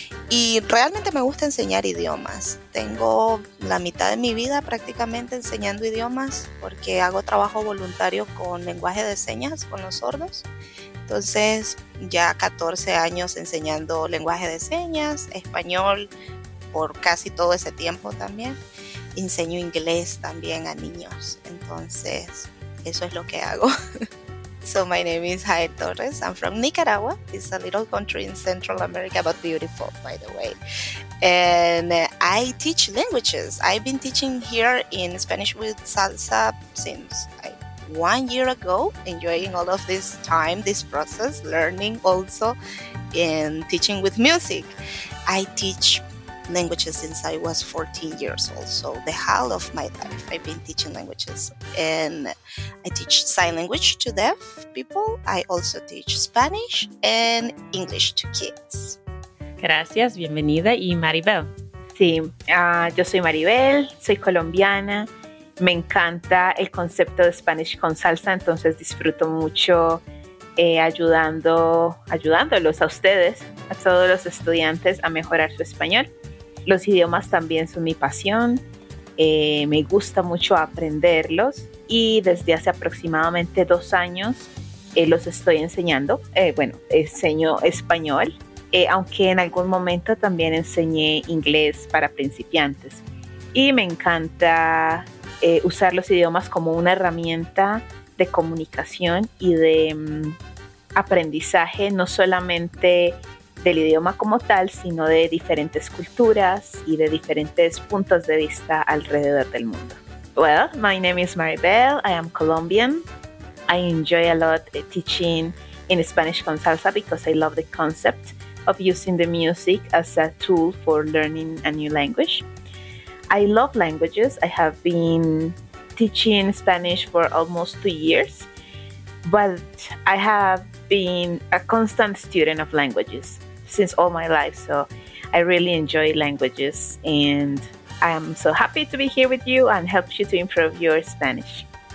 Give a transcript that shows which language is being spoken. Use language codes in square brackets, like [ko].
[es] Y realmente me gusta enseñar idiomas. Tengo la mitad de mi vida prácticamente enseñando idiomas porque hago trabajo voluntario con lenguaje de señas, con los sordos. Entonces, ya 14 años enseñando lenguaje de señas, español por casi todo ese tiempo también. Enseño inglés también a niños. Entonces, eso es lo que hago. [en] So my name is Jael Torres. I'm from Nicaragua. It's a little country in Central America, but beautiful, by the way. And I teach languages. I've been teaching here in Spanish with Salsa since one year ago, enjoying all of this time, this process, learning also and teaching with music. I teach languages since I was 14 years old, so the whole of my life I've been teaching languages. And I teach sign language to deaf people. I also teach Spanish and English to kids. [es] Gracias, bienvenida. Y Maribel. Sí, yo soy Maribel, soy colombiana. Me encanta el concepto de Spanish con Salsa, entonces disfruto mucho ayudándolos a ustedes, a todos los estudiantes, a mejorar su español. Los idiomas también son mi pasión, me gusta mucho aprenderlos y desde hace aproximadamente 2 años los estoy enseñando. Enseño español, aunque en algún momento también enseñé inglés para principiantes. Y me encanta usar los idiomas como una herramienta de comunicación y de aprendizaje, no solamente del idioma como tal, sino de diferentes culturas y de diferentes puntos de vista alrededor del mundo. [en] Well, my name is Maribel. I am Colombian. I enjoy a lot teaching in Spanish con Salsa because I love the concept of using the music as a tool for learning a new language. I love languages. I have been teaching Spanish for almost 2 years, but I have been a constant student of languages since all my life, so I really enjoy languages, and I am so happy to be here with you and help you to improve your Spanish.